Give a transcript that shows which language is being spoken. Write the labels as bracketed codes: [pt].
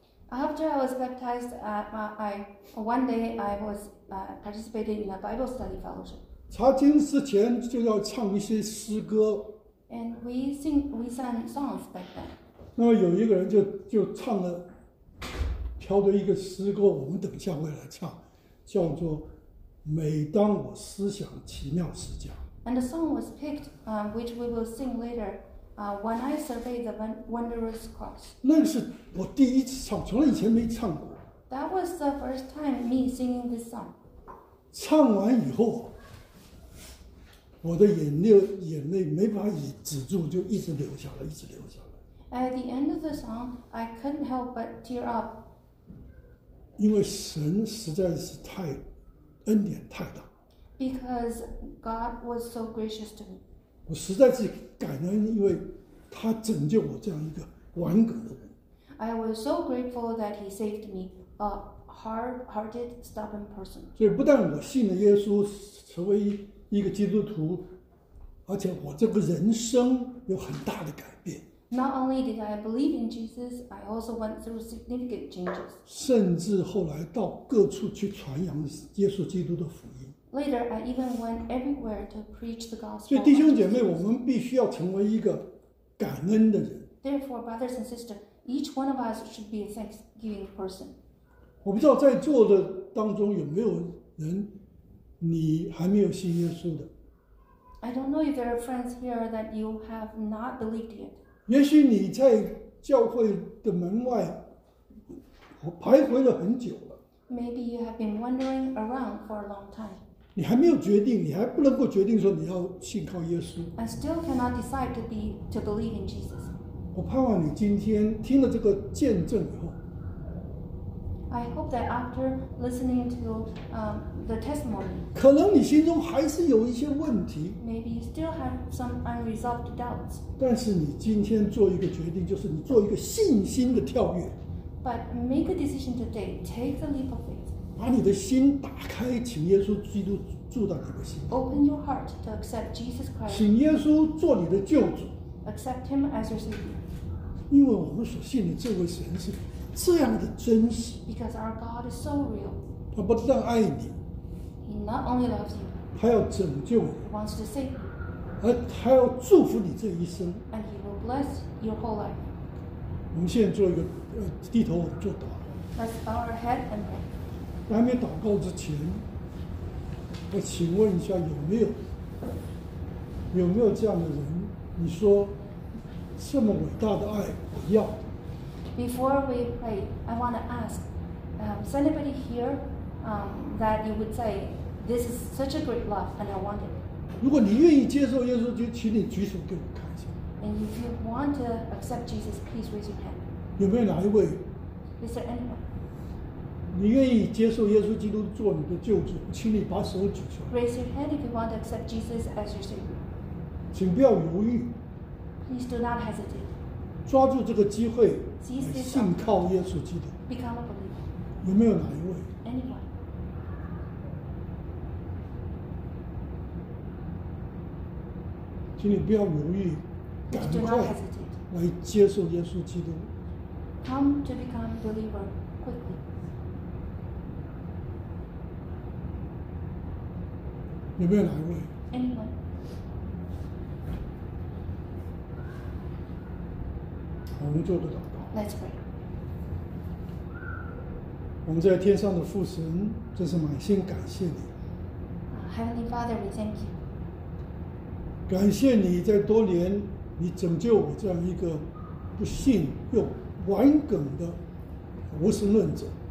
[en] After I was baptized, one day I was participating in a Bible study fellowship. [zh] 查经之前就要唱一些诗歌。 [en] And we sang songs back then. [zh] 那么有一个人就唱了，挑着一个诗歌，我们等一下会来唱，叫做《每当我思想奇妙之家》。 [en] And the song was picked, which we will sing later, When I Survey the Wondrous Cross. [zh] 那是我第一次唱，从来以前没唱过。 [en] That was the first time me singing this song. [zh] 唱完以后，我的眼泪没法止住，就一直流下来，一直流下来。 [en] At the end of the song, I couldn't help but tear up. [zh] 因为神实在是太恩典太大。 [en] Because God was so gracious to me. [zh] 我实在是感恩，因为他拯救我这样一个顽梗的人。 [en] I was so grateful that he saved me, a hard-hearted, stubborn person. [zh] 所以不但我信了耶稣，成为一个基督徒，而且我这个人生有很大的改变。 [en] Not only did I believe in Jesus, I also went through significant changes. [zh] 甚至后来到各处去传扬耶稣基督的福音。 [en] Later, I even went everywhere to preach the gospel. [zh] 所以弟兄姐妹，我们必须要成为一个感恩的人。 [en] Therefore, brothers and sisters, each one of us should be a thanksgiving person. [zh] 我不知道在座的当中有没有人，你还没有信耶稣的。 [en] I don't know if there are friends here that you have not believed yet. [zh] 也许你在教会的门外徘徊了很久了。 [en] Maybe you have been wandering around for a long time. [zh] 你还没有决定，你还不能够决定说你要信靠耶稣。 [en] I still cannot decide to believe in Jesus. [zh] 我盼望你今天听了这个见证以后。 [en] I hope that after listening to the testimony, [zh] 可能你心中还是有一些问题。 [en] Maybe you still have some unresolved doubts. [zh] 但是你今天做一个决定，就是你做一个信心的跳跃。 [en] But make a decision today, take the leap of faith. [zh] 把你的心打开，请耶稣基督住到你的心。 [en] Open your heart to accept Jesus Christ. [zh] 请耶稣做你的救主。 [en] Accept Him as your Savior. [zh] 因为我们所信的这位神是。这样的真实 [en] ，Because our God is so real. [zh] 他不但爱你 [en] ，He not only loves you. [zh] 他要拯救你 [en] ，He wants to save you. [zh] 而他要祝福你这一生 [en] ，And He will bless your whole life. [zh] 我们现在做一个低头做祷告。 [en] Let's bow our head and pray. [zh] 还没祷告之前，我请问一下有没有这样的人？你说这么伟大的爱，我要。 [en] Before we pray, I want to ask, is anybody here that you would say, this is such a great love and I want it? [zh] 如果你愿意接受耶稣，就请你举手给我看一下。 [en] And if you want to accept Jesus, please raise your hand. [zh] 有没有哪一位？ [en] Is there anyone? [zh] 你愿意接受耶稣基督做你的救主，请你把手举出来。 [en] Raise your hand if you want to accept Jesus as your Savior. [zh] 请不要犹豫。 [en] Please do not hesitate. [zh] 抓住这个机会，信靠耶稣基督。有没有哪一位？请你不要犹豫，赶快来接受耶稣基督。 [en] Come to become believer quickly. [zh] 有没有哪一位？我们做个祷告。 [en] Let's pray. [zh] 我们在天上的父神，真是满心感谢你。 [en] Heavenly Father, we thank you. [zh] 感谢你在多年，你拯救我这样一个不信又顽梗的无神论者。